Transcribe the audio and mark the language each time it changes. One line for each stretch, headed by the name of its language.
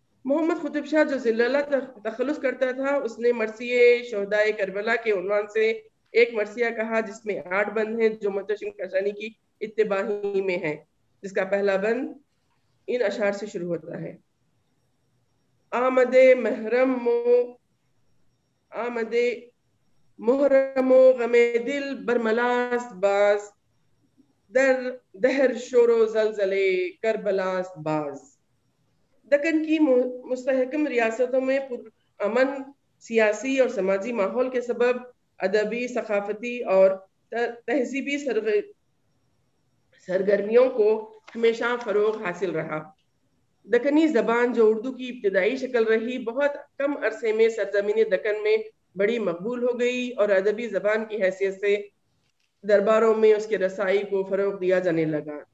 Urdu: محمد قطب شاہ جو ذلالہ تخلص کرتا تھا, اس نے مرثیے شہدائے کربلا کے عنوان سے ایک مرثیہ کہا جس میں 8 بند ہیں جو محتشم کاشانی کی اتباعی میں ہیں, جس کا پہلا بند ان اشعار سے شروع ہوتا ہے.
Persian: آمد محرم و غم دل برملاس باز در دہر شور و زلزلے کربلاس باز.
Urdu: دکن کی مستحکم ریاستوں میں پر امن سیاسی اور سماجی ماحول کے سبب ادبی ثقافتی اور تہذیبی سرگرمیوں کو ہمیشہ فروغ حاصل رہا. دکنی زبان جو اردو کی ابتدائی شکل رہی, بہت کم عرصے میں سرزمین دکن میں بڑی مقبول ہو گئی اور ادبی زبان کی حیثیت سے درباروں میں اس کے رسائی کو فروغ دیا جانے لگا.